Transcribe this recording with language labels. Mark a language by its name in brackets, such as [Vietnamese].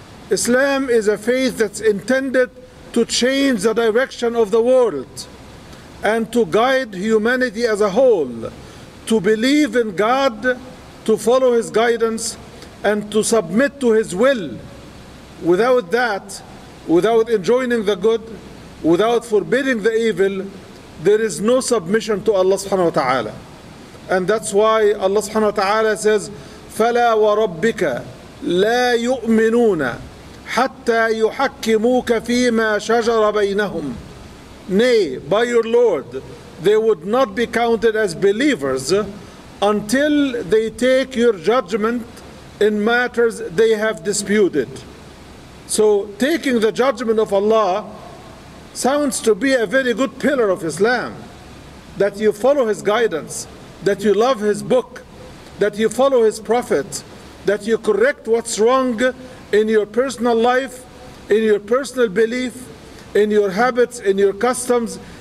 [English] Islam is a faith that's intended to change the direction of the world and to guide humanity as a whole, to believe in God, to follow His guidance, and to submit to His will. Without that, without enjoining the good, without forbidding the evil, there is no submission to Allah subhanahu wa ta'ala. And that's why Allah subhanahu wa ta'ala says, [Arabic] فَلَا وَرَبِّكَ لَا يُؤْمِنُونَ حَتَّى يُحَكِّمُوكَ فِي مَا شَجَرَ بَيْنَهُمْ. [English] Nay, by your Lord, they would not be counted as believers until they take your judgment in matters they have disputed. So taking the judgment of Allah sounds to be a very good pillar of Islam, that you follow His guidance, that you love His book, that you follow His prophet, that you correct what's wrong in your personal life, in your personal belief, in your habits, in your customs.